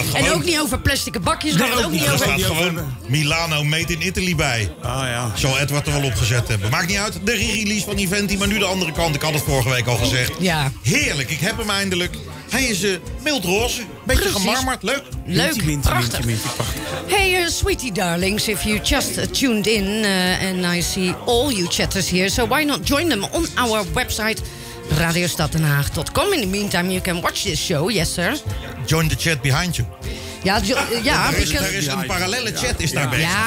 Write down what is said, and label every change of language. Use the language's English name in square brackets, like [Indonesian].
[Dutch] En ook niet over plastic bakjes. Nee, ook niet. Er staat gewoon Milano Made in Italy bij. Ah, ja. Zal Edward er wel opgezet hebben. Maakt niet uit. De re-release van Eventi, maar nu de andere kant. Ik had het vorige week al gezegd. Ja. Heerlijk, ik heb hem eindelijk. Hij is mildroze, beetje gemarmerd, leuk. Leuk, prachtig. [English] Hey, sweetie darlings, if you just tuned in and I see all you chatters here, so why not join them on our website, radiostaddenhaag.com. In the meantime, you can watch this show, yes sir. Join the chat behind you. [Dutch] Ja, er is een parallele chat is daar bezig.